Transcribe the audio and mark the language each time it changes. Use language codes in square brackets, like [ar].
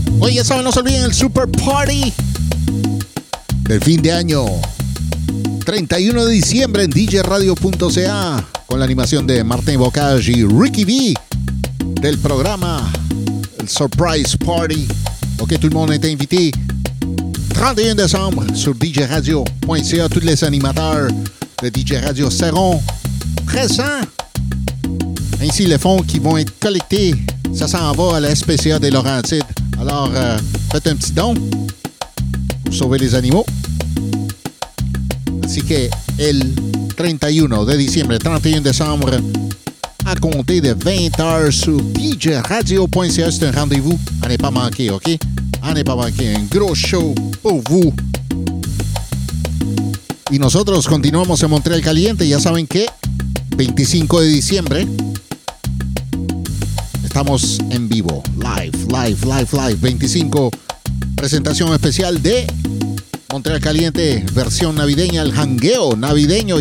[es] Ya saben, no se olviden el Super Party del fin de año, 31 de diciembre en djradio.ca, con la animación de Martin Bocage y Ricky V del programa el Surprise Party. [fr] Ok, tout le monde est invité. 31 décembre sur djradio.ca, tous les animateurs de DJ Radio seront présents. Ainsi, les fonds qui vont être collectés, ça s'en va à la SPCA des Laurentides. Alors, faites un petit don pour sauver les animaux. [es] Así que el 31 de diciembre, [fr] 31 décembre, à compter de 20h sur djradio.ca, c'est un rendez-vous à ne pas manquer, OK? À ne pas manquer, un gros show pour vous. [es] Y nosotros continuamos en Montreal Caliente. Ya saben que 25 de diciembre... Estamos en vivo, live. 25, presentación especial de Montreal Caliente, versión navideña, el jangueo navideño.